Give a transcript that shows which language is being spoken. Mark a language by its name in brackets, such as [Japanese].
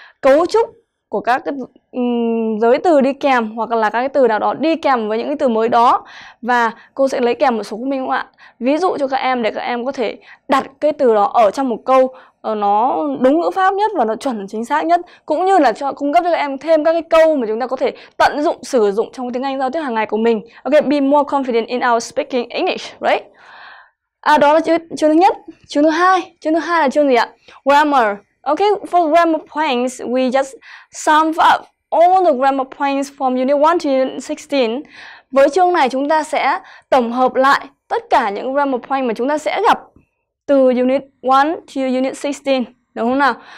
[Vietnamese] Cấu trúc của các cái giới từ đi kèm hoặc là các cái từ nào đó đi kèm với những cái từ mới đó, và cô sẽ lấy kèm một số của mình không ạ? Ví dụ cho các em để các em có thể đặt cái từ đó ở trong một câu nó đúng ngữ pháp nhất và nó chuẩn chính xác nhất, cũng như là cho cung cấp cho các em thêm các cái câu mà chúng ta có thể tận dụng sử dụng trong tiếng Anh giao tiếp hàng ngày của mình. [English] Ok, be more confident in our speaking English, right? [Vietnamese] Đó là chương thứ nhất. Chương thứ hai. Chương thứ hai là chương gì ạ? [English] Grammar. Ok, for grammar points, we just sum up all the grammar points from unit 1 to unit 16. [Vietnamese] Với chương này chúng ta sẽ tổng hợp lại tất cả những grammar points mà chúng ta sẽ gặp từ unit 1 to unit 16, đúng không nào?